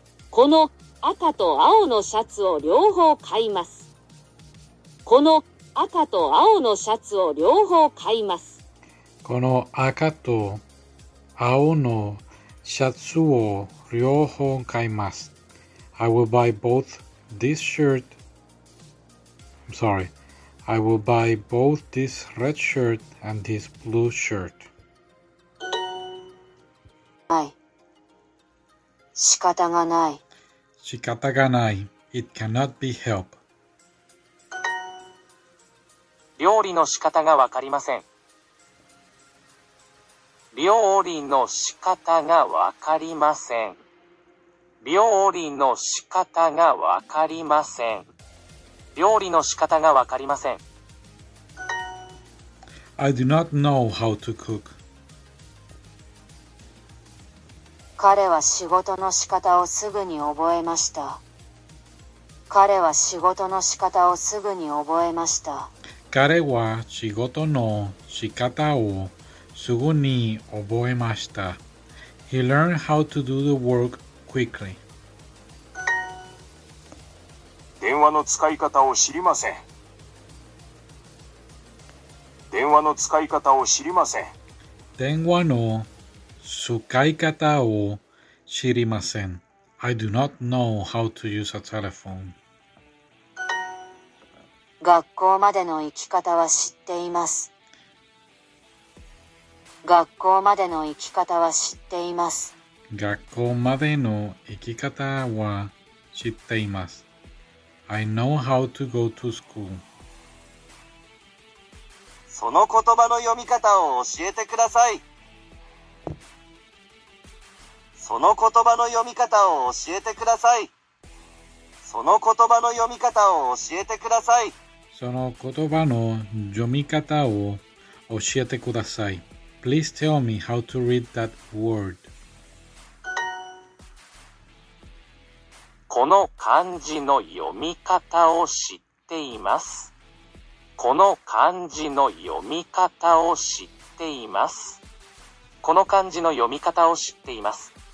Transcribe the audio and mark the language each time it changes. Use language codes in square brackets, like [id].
[ja] この赤と青のシャツを両方買います。この赤と青のシャツを両方買います。この赤と青のシャツを両方買います。 [en] I will buy both this shirt. I'm sorry. I will buy both this red shirt and this blue shirt. [ja] はい、仕方がない。仕方がない。 [en] It cannot be helped. [ja] 料理の仕方がわかりません。料理の仕方がわかりません。料理の仕方がわかりません。料理の仕方がわかりません。 [en] I do not know how to cook. [ja] 彼は仕事の仕方をすぐに覚えました。彼は仕事の仕方をすぐに覚えました。彼は仕事の仕方をすぐに覚えました。 [en] He learned how to do the work quickly. [ja] 電話の使い方を知りません。電話の使い方を知りません。電話の使い方を知りません。 [en] I do not know how to use a telephone. [ja] 学校までの行き方は知っています。学校までの行き方は知っています。学校までの行き方は知っています。 [en] I know how to go to school. [ja] その言葉の読み方を教えてください。その言葉の読み方を教えてください。その言葉の読み方を教えてください。その言葉の読み方を教えてください。 [en] Please tell me how to read that word. [ja] この漢字の読み方を知っています。この漢字の読み方を知っています。この漢字の読み方を知っています。